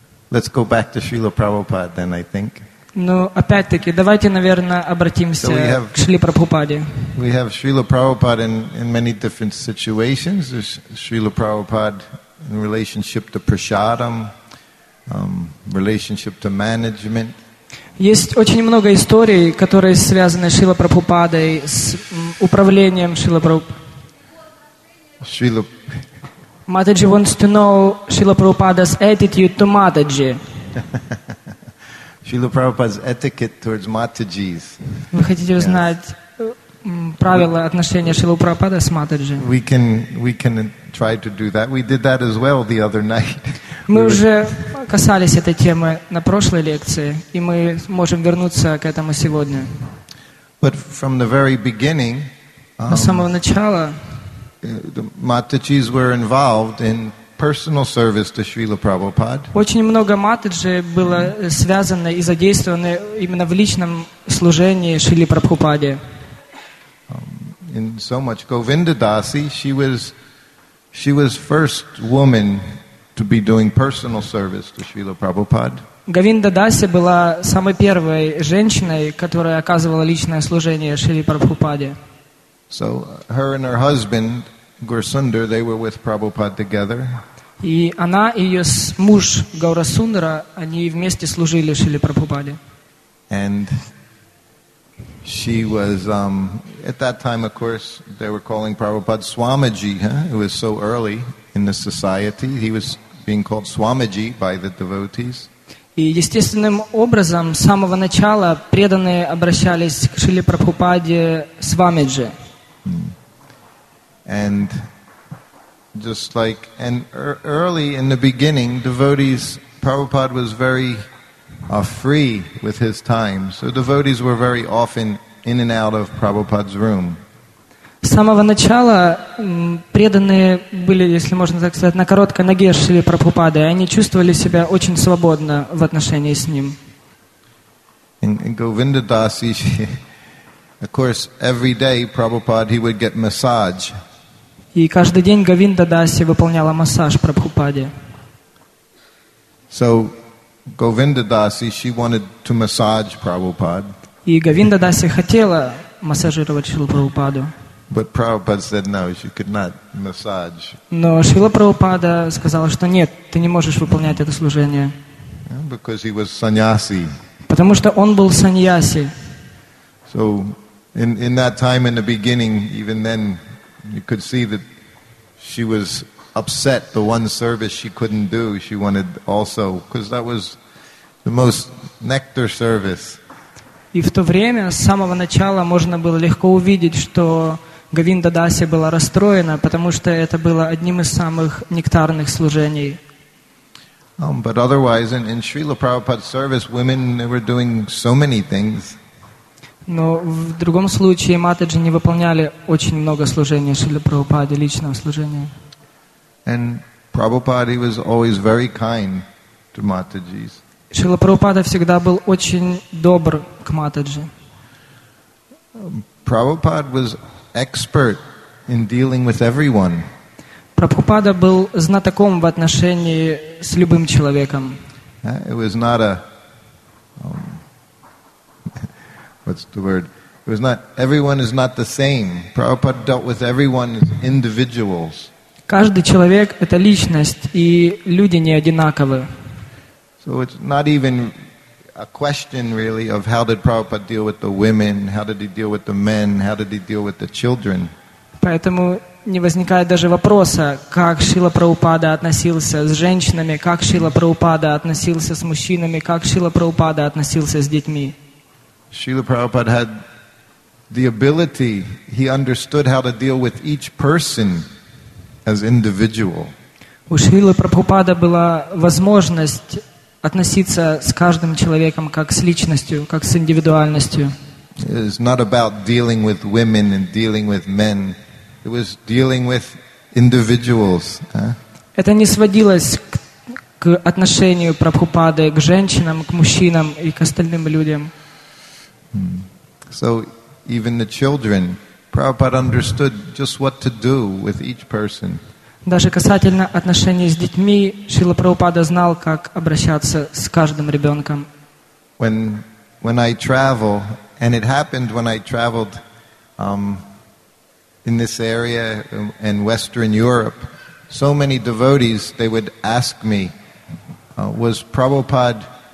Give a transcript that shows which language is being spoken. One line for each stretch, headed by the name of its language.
English: Let's go back to Srila Prabhupada then, I think.
Russian: Ну, опять-таки, давайте, наверное, обратимся к Шриле Прабхупаде.
English: We have Srila Prabhupada in many different situations. There's Srila Prabhupada in relationship to prasadam, relationship to management.
Russian: Есть очень много историй, которые связаны с Шрила Прабхупадой, с управлением Шрила Прабхупады.
English: Mataji wants to know Srila Prabhupada's attitude to Mataji. Srila Prabhupada's etiquette towards Matajis.
Russian: Вы хотите узнать правила отношения Шрилы Прабхупады с Матаджи?
English: We can try to do that. We did that as well the other night.
Russian: Мы уже касались этой темы на прошлой лекции, и мы можем вернуться к этому сегодня.
English: But from the very beginning,
Russian: с самого начала
English: The Matajis were involved in personal service to Srila Prabhupada.
Russian: Очень много Матаджи было связано и задействовано именно в личном служении Шриле Прабхупаде.
English: And so much Govinda Dasi, she was first woman to be doing personal service to Srila Prabhupada.
Russian: Govinda Dasi была самой первой женщиной, которая оказывала личное служение Шриле Прабхупаде.
English: So her and her husband Gaurasundar, they were with Prabhupada together.
Russian: И она и ее муж Гаурасундара, они вместе служили Шриле Прабхупаде.
English: And she was at that time, of course, they were calling Prabhupada Swamiji. Huh? It was so early in the society. He was being called Swamiji by the devotees.
Russian: И естественным образом с самого начала преданные обращались к Шриле Прабхупаде Свамиджи.
English: And just like and early in the beginning, devotees, Prabhupada was very free with his time. So devotees were very often in and out of Prabhupada's room.
Russian: С самого начала преданные были, если можно так сказать, на короткой ноге шли Прабхупады, и они чувствовали себя очень свободно в отношении с ним.
English: And Govinda Dasi, of course, every day Prabhupada, he would get massage.
Russian: И каждый день Говинда Даси выполняла массаж Прабхупаде.
English: So Govinda Dasi, she wanted to massage Prabhupada.
Russian: И Говинда Даси хотела массажировать Шрилу Прабхупаду.
English: But Prabhupada said no, she could not massage.
Russian: Но Шрила Прабхупада сказала, что нет, ты не можешь выполнять это служение.
English: Because he was sannyasi.
Russian: Потому что он был саньяси.
English: So in that time in the beginning, even then, you could see that she was upset. The one service she couldn't do, she wanted also, because that was the most nectar service.
Russian: И в то время с самого начала можно было легко увидеть, что Говинда Даси была расстроена, потому что это было одним из самых нектарных служений.
English: But otherwise, in Srila Prabhupada's service, women they were doing so many things.
Russian: Но в другом случае Матаджи не выполняли очень много служения Шриле Прабхупаде, личного служения.
English: And Prabhupada, he was always very kind to Matajis.
Russian: Шрила Прабхупада всегда был очень добр к Матаджи.
English: Prabhupada was expert in dealing with everyone.
Russian: Прабхупада был знатоком в отношении с любым человеком.
English: It was not a... What's the word? It was not, everyone is not the same. Prabhupada dealt with everyone as individuals.
Russian: Каждый человек — это личность, и люди не одинаковы.
English: So it's not even a question, really, of how did Prabhupada deal with the women, how did he deal with the men, how did he deal with the children.
Russian: Поэтому не возникает даже вопроса, как Шрила Прабхупада относился с женщинами, как Шрила Прабхупада относился с мужчинами, как Шрила Прабхупада относился с детьми.
English: Srila Prabhupada had the ability, he understood how to deal with each person as individual.
Russian: У Шрилы Прабхупады была возможность относиться с каждым человеком как с личностью, как с индивидуальностью.
English: It was not about dealing with women and dealing with men. It was dealing with individuals.
Russian: Это не сводилось к отношению Прабхупады к женщинам, к мужчинам и к остальным людям.
English: So even the children, Prabhupada understood just what to do with each person.
Russian: Даже касательно отношений с детьми, Шрила Прабхупада знал, как обращаться с каждым ребенком.
English: When I travel, and it happened when I traveled in this area in Western Europe, so many devotees, they would ask me, was Prabhupada...